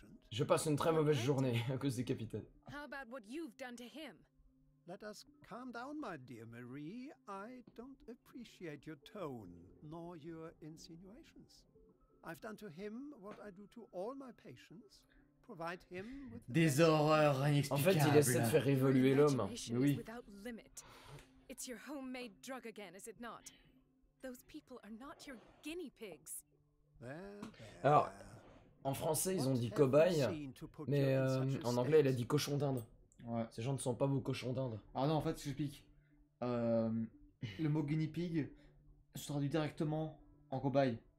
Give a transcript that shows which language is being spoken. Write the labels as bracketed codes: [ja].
[fr] Je passe une très mauvaise journée à cause des capitaines. [en] How about what you've done to him? Let us calm down, my dear Marie. I don't appreciate your tone, nor your insinuations. I've done to him what I do to all my patients. [fr] Des horreurs inexplicables. En fait, il essaie de faire évoluer l'homme. Oui. [en] It's your homemade drug again, is it not? Those people are not your guinea pigs. [fr] Alors, en français, ils ont dit cobaye, mais en anglais, il a dit cochon d'Inde. Ouais. Ces gens ne sont pas vos cochons d'Inde. Ah non, en fait, j'explique. Le mot guinea pig se traduit directement en cobaye.